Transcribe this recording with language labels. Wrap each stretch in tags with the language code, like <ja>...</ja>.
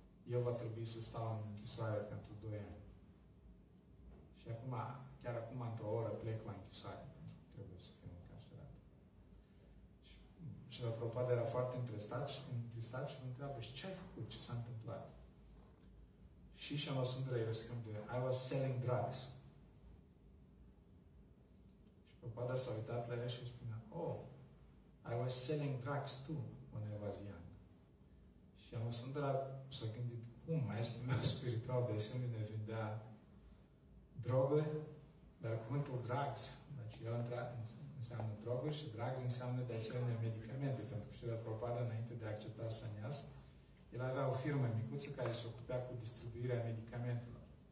<ro>eu va trebui să stau în închisoare pentru 2 ani. Și acum, chiar acum, într-o oră, plec la închisoare, pentru că trebuie să fiu încarcerat. Și la Prabhupada era foarte întristat și mă întreabă, și ce ai făcut? Ce s-a întâmplat? Și Shama Sundara îi răspunde,</ro> <en>I was selling drugs.</en> <ro>Și Prabhupada s-a uitat la ea și îi spunea,</ro> <en>oh, I was selling drugs too, when I was young.</en> <ro>Și Shama Sundara s-a gândit, cum, maestrul meu spiritual de asemenea vindea droguri, dar cuvântul drugs, deci el înseamnă droguri și drugs înseamnă de asemenea medicamente, pentru că și la Prabhupada, înainte de a accepta sannyas, el avea o firmă micuță care se ocupea cu distribuirea medicamentelor.</ro>